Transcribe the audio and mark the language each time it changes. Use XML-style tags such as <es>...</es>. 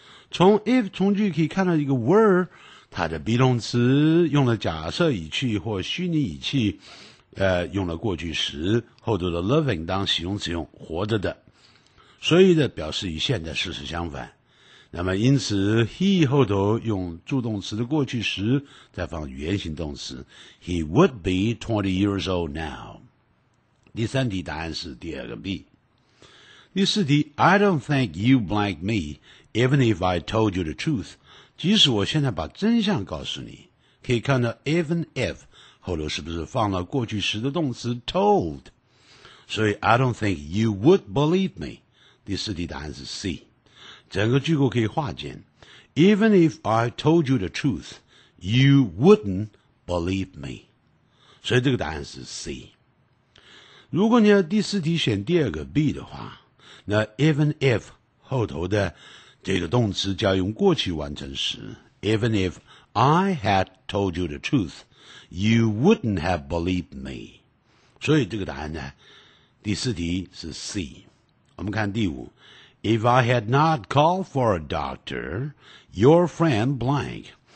<zh>从 if 从句可以看到一个 were，它的 be 动词用了假设语气或虚拟语气，用了过去时，后头的 living 当形容词用活着的，所以的表示与现在事实相反。那么因此 he 后头用助动词的过去时，再放原形动词</zh> <en>he would be 20 years old now。</en> <zh>第三题答案是第二个 B。第四题，</zh> <en>I don't think you blank me even if I told you the truth。</en> <zh>即使我现在把真相告诉你，可以看到 even if 后头是不是放了过去时的动词 told， 所以</zh> <en>I don't think you would believe me。</en> <zh>第四题答案是 C。整个句构可以化简，</zh> <en>Even if I told you the truth, you wouldn't believe me。</en> <zh>所以这个答案是 C。如果你要第四题选第二个 B 的话，那 even if 后头的这个动词就要用过去完成时，</zh> <en>Even if I had told you the truth, you wouldn't have believed me。</en> <zh>所以这个答案呢，第四题是 C。我们看第五，</zh> <en>If I had not called for a doctor, your friend blank。</en>